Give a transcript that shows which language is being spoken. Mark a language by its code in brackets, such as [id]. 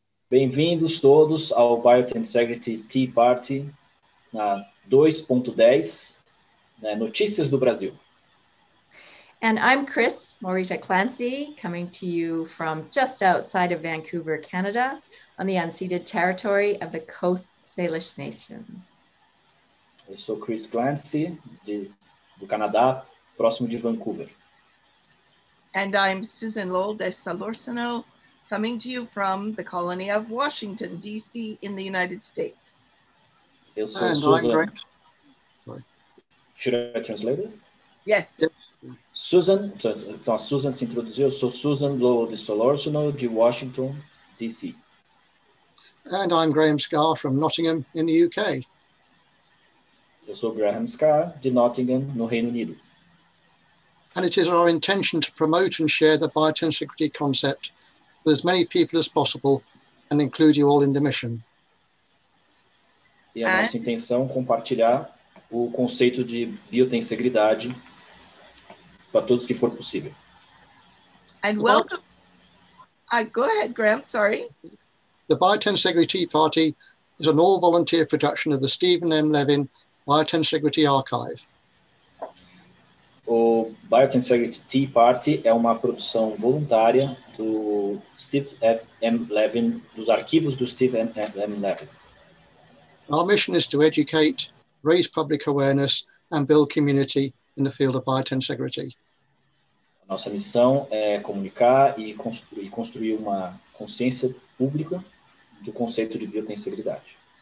[pt] Bem-vindos todos ao Bio 10 Sacred Tea Party na 2.10, né, Notícias do Brasil. [en] And I'm Chris Morita Clancy, coming to you from just outside of Vancouver, Canada, on the unceded territory of the Coast Salish Nation. [pt] Eu sou Chris Clancy, do Canadá, próximo de Vancouver. [en] And I'm Susan Lowell de Salorsano, coming to you from the colony of Washington, D.C., in the United States. [pt] Eu sou [en] And Susan. Should I translate this? Yes. [pt] Susan, então a Susan se introduziu. Eu sou Susan Lowell de Salorsano, de Washington, D.C. [en] And I'm Graham Scar from Nottingham, in the U.K. [pt] Eu sou Graham Scar, de Nottingham, no Reino Unido. [en] And it is our intention to promote and share the biotensegrity concept with as many people as possible and include you all in the mission. [pt] E a nossa intenção é compartilhar o conceito de biotensegridade para todos que for possível. [en] And welcome. Go ahead, Graham, sorry. The Biotensegrity Party is an all-volunteer production of the Stephen M. Levin Biotensegrity Archive. [pt] O Biotensegrity Tea Party é uma produção voluntária do Steve F. M. Levin, dos arquivos do Steve M. Levin. [en] Our mission is to educate, raise public awareness, and build community in the field of biotensegrity. [pt] Nossa missão é comunicar e construir uma consciência pública do conceito de biotensegridade.